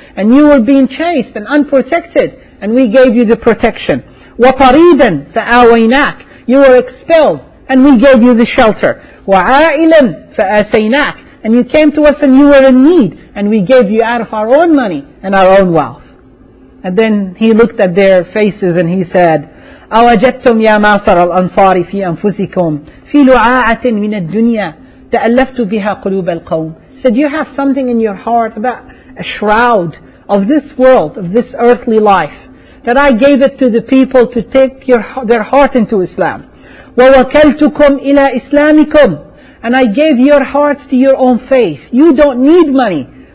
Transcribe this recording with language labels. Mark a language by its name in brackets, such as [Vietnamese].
[English] And you were being chased and unprotected, and we gave you the protection. [Arabic] وَطَرِيدًا فَآوَيْنَاكَ. [English] You were expelled, and we gave you the shelter. [Arabic] وَعَائِلًا فَأَسَيْنَاكَ. [English] And you came to us and you were in need, and we gave you out of our own money and our own wealth. And then he looked at their faces and he said, [Arabic] أَوَجَدْتُمْ يَا مَعْصَرَ الْأَنصَارِ فِي أَنفُسِكُمْ فِي لُعَاءَةٍ مِنَ الدُّنْيَا تَأَلَّفْتُ بِهَا قُلُوبَ الْقَوْمِ. [English] Said, you have something in your heart about a shroud of this world, of this earthly life, that I gave it to the people to take their heart into Islam. [Arabic] وَوَكَلْتُكُمْ إِلَىٰ إِسْلَامِكُمْ. [English] And I gave your hearts to your own faith. You don't need money.